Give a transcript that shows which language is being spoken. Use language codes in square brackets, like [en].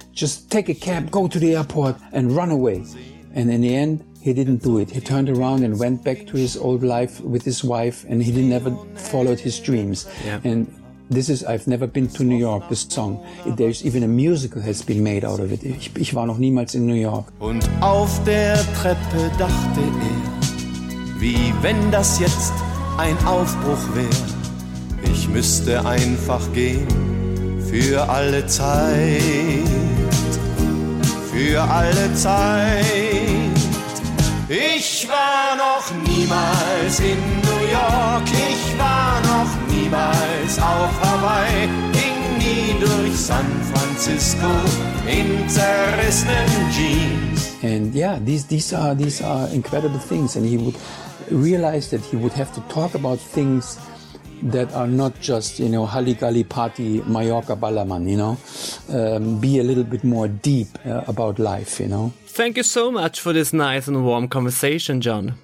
[en] Just take a cab, go to the airport and run away. And in the end, he didn't do it. He turned around and went back to his old life with his wife and he never followed his dreams. Yeah. And this is I've never been to New York, this song. There's even a musical has been made out of it. [de] Ich war noch niemals in New York. Und auf der Treppe dachte ich, wie wenn das jetzt ein Aufbruch wäre. Ich müsste einfach gehen für alle Zeit, für alle Zeit. Ich war noch niemals in New York, ich war noch niemals auf Hawaii, ging nie durch San Francisco in zerrissenen Jeans. [en] And yeah, these are incredible things. And he would realize that he would have to talk about things that are not just, you know, Halligalli party, Mallorca Ballermann, you know. Be a little bit more deep about life, you know. Thank you so much for this nice and warm conversation, John.